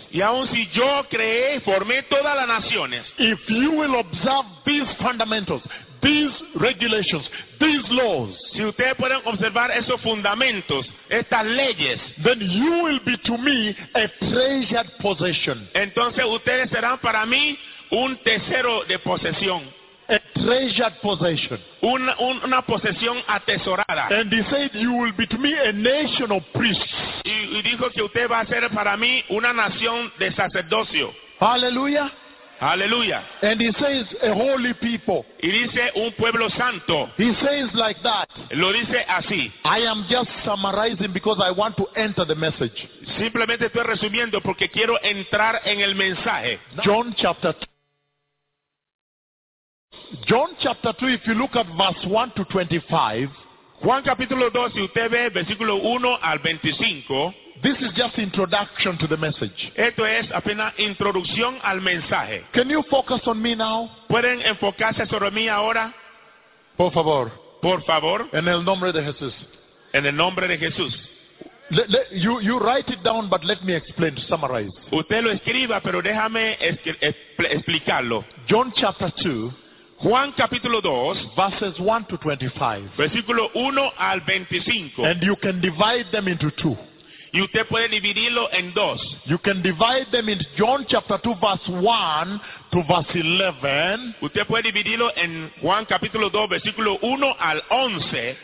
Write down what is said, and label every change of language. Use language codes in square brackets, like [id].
[es] y aun si yo creé, formé todas las naciones, [en] if you will observe these fundamentals, these regulations, these laws, [es] si ustedes pueden observar esos fundamentos, estas leyes, [en] then you will be to me a treasured possession. [es] Entonces ustedes serán para mí un tesoro de posesión. [en] A treasured possession. [es] Una posesión atesorada. [en] And he said, you will be to me a nation of priests. [es] Y dijo que usted va a ser para mí una nación de sacerdocio. [en] Hallelujah. [es] Hallelujah. [en] And he says, a holy people. [es] Y dice, un pueblo santo. [en] He says like that. [es] Lo dice así. [en] I am just summarizing because I want to enter the message. [es] Simplemente estoy resumiendo porque quiero entrar en el mensaje. [en] John chapter 2. John chapter 2, if you look at verse 1 to 25, [es] Juan capítulo 2, si usted ve versículo 1 al 25, [en] this is just introduction to the message. [es] Esto es apenas introducción al mensaje. [en] Can you focus on me now? [es] ¿Pueden enfocarse sobre mí ahora? Por favor. Por favor. En el nombre de Jesús. En el nombre de Jesús. [en] You write it down, but let me explain to summarize. [es] Usted lo escriba, pero déjame explicarlo. [en] John chapter 2. [es] Juan capítulo 2, [en] verses 1 to 25. [es] Versículo 1 al 25. [en] And you can divide them into two. [es] Y usted puede dividirlo en dos. [en] You can divide them into John chapter 2, verse 1 to verse 11. [es] Usted puede dividirlo en Juan capítulo 2, versículo 1 al 11.